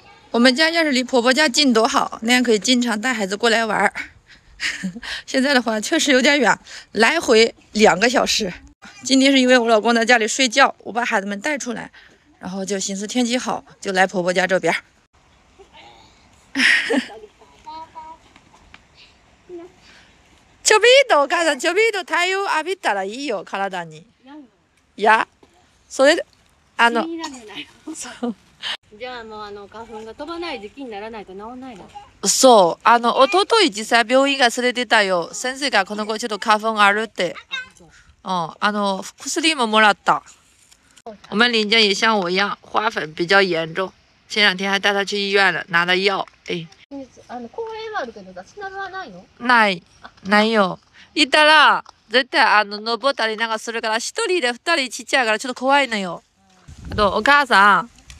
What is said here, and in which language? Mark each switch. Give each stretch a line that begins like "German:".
Chinese: 我们家要是离婆婆家近多好，那样可以经常带孩子过来玩。现在的话确实有点远，来回两个小时。今天是因为我老公在家里睡觉，我把孩子们带出来，然后就寻思天气好，就来婆婆家这边。
Japanese: ちょびっとお母さん、ちょびっと太陽浴びたらいいよ、体に。いや、それ、あの、そう。じゃあもうあの花粉が飛ばない時期にならないと治らないの。そう、あの一昨日実際病院が連れてたよ。先生がこの子ちょっと花粉あるって。うん、あの薬ももらった。
Chinese: 我们林家也像我一样，花粉比较严重。前两天还带他去医院了，拿了药。哎。
Japanese: あの公園はあるけど、砂場はないの？ない、ないよ。いたら絶対あの登ったりなんかするから、一人で二人ちっちゃいからちょっと怖いのよ。あとお母さん。